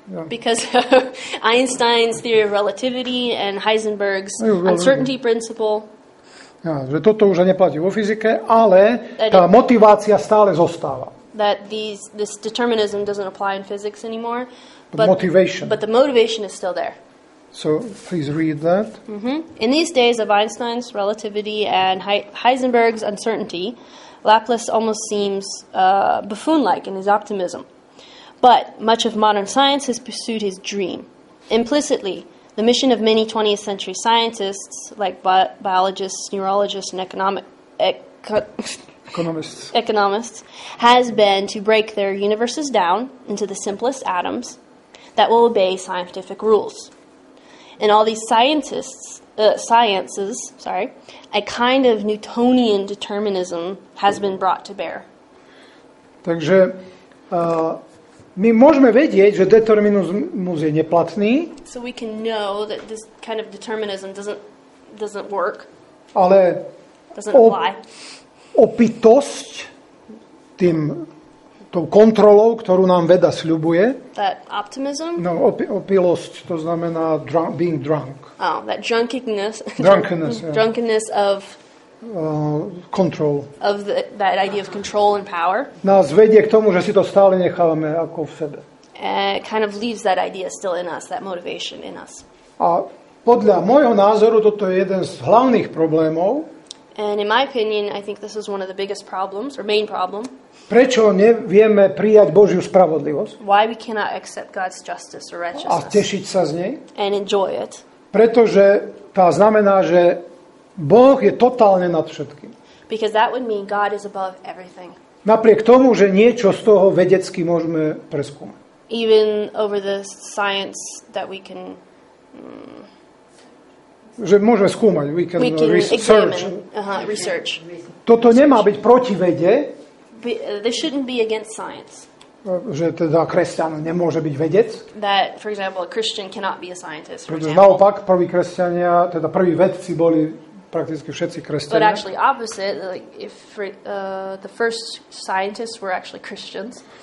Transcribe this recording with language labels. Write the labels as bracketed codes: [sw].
[en] because Einstein's theory of relativity and Heisenberg's uncertainty principle. [sk] Ja, že toto už neplatí vo fyzike, ale tá motivácia stále zostáva. [en] That this determinism doesn't apply in physics anymore. But the motivation is still there. So please read that. In these days of Einstein's relativity and Heisenberg's uncertainty, Laplace almost seems buffoon-like in his optimism. But much of modern science has pursued his dream. Implicitly, the mission of many 20th century scientists, like biologists, neurologists, and economists, has been to break their universes down into the simplest atoms that will obey scientific rules. In all these sciences, a kind of Newtonian determinism has been brought to bear. [sk] Takže my môžeme vedieť, že determinizmus je neplatný. [en] So we can know that this kind of determinism doesn't work. [sk] Ale [en] doesn't apply. [sk] Opitosť tou kontrolou, ktorú nám veda sľubuje. [en] That optimism? [sk] No, opilosť, to znamená [en] being drunk. Oh, that drunkenness. Drunkenness, yeah. Drunkenness of control. Of that idea of control and power. [sk] Nás vedie k tomu, že si to stále nechávame ako v sebe. [en] It kind of leaves that idea still in us, that motivation in us. [sk] A podľa môjho názoru, toto je jeden z hlavných problémov. [en] And in my opinion, I think this is one of the biggest problems, or main problem. [sk] Prečo nevieme prijať Božiu spravodlivosť? [en] Why we cannot accept God's justice or righteousness? [sk] A tešiť sa z nej? [en] And enjoy it. [sk] Pretože to znamená, že Boh je totálne nad všetkým. [en] Because that would mean God is above everything. [sk] Napriek tomu, že niečo z toho vedecky môžeme preskúmať. [en] Even over the science that we can [sk] že môžeme skúmať, [en] we can research. Research. [sk] Toto nemá byť proti vede. [en] This shouldn't be against science. [sk] Že teda kresťan nemôže byť vedec. [en] That, for example, a Christian cannot be a scientist, for example. [sk] Naopak, prví kresťania, teda prví vedci boli prakticky všetci kresťania. [en] But actually opposite, like if the first scientists were actually Christians.